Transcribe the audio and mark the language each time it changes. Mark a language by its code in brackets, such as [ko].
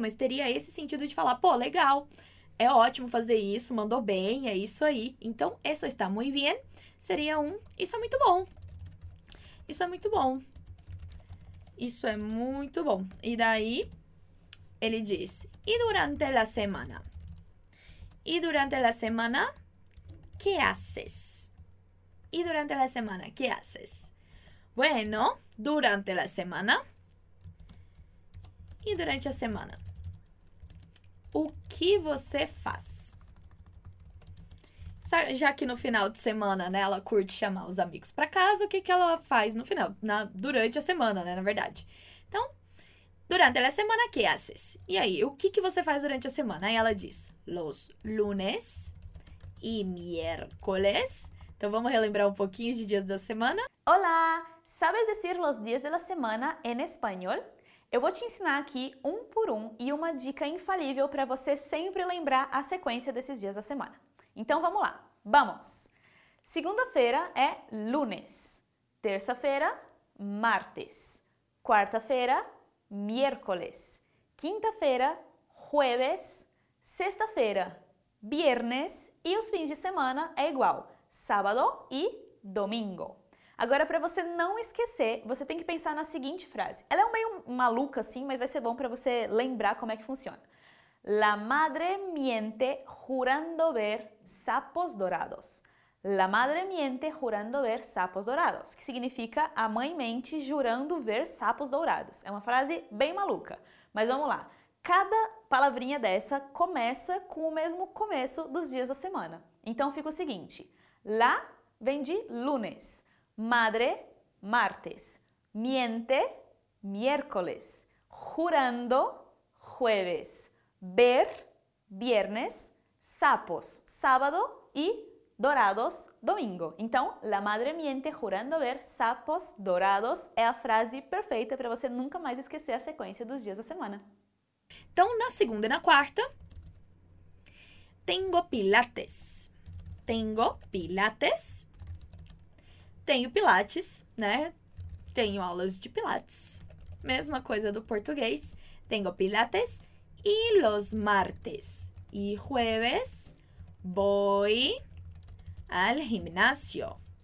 [pt] Mas teria esse sentido de falar, pô, legal, é ótimo fazer isso, mandou bem, é isso aí. Então, [es] eso está muy bien, [pt] seria um, isso é muito bom. Isso é muito bom. Isso é muito bom. E daí, ele diz, e [es] durante la semana? E durante la semana, ¿qué haces? Y durante la semana, ¿qué haces? Bueno, durante la semana. Y durante la semana. [pt] O que você faz? Já que no final de semana, né, ela curte chamar os amigos para casa, o que que ela faz no final? Durante a semana, né, na verdade. Então, [es] durante la semana, ¿qué haces? [pt] E aí, o que que você faz durante a semana? Aí ela diz, [es] los lunes y miércoles. [pt] Então, vamos relembrar um pouquinho de dias da semana. Olá! [es] Sabes decir los días de la semana en español? [pt] Eu vou te ensinar aqui um por um e uma dica infalível para você sempre lembrar a sequência desses dias da semana. Então, vamos lá! Vamos! Segunda-feira é lunes. Terça-feira, martes. Quarta-feira, miércoles. Quinta-feira, jueves. Sexta-feira, viernes. E os fins de semana é igual. Sábado e domingo. Agora, para você não esquecer, você tem que pensar na seguinte frase. Ela é meio maluca, assim, mas vai ser bom para você lembrar como é que funciona. [es] La madre miente jurando ver sapos dourados. La madre miente jurando ver sapos dourados. [pt] Que significa a mãe mente jurando ver sapos dourados. É uma frase bem maluca. Mas vamos lá. Cada palavrinha dessa começa com o mesmo começo dos dias da semana. Então, fica o seguinte... La vem de lunes, madre, martes, miente, miércoles, jurando, jueves, ver, viernes, sapos, sábado e dourados, domingo. Então, [es] la madre miente jurando ver sapos dourados [pt] é a frase perfeita para você nunca mais esquecer a sequência dos dias da semana. Então, na segunda e na quarta, [es] tengo pilates. Tengo pilates. [pt] Tenho pilates, né? Tenho aulas de pilates. Mesma coisa do português. [es] Tengo pilates. E los martes e jueves voy al gimnasio.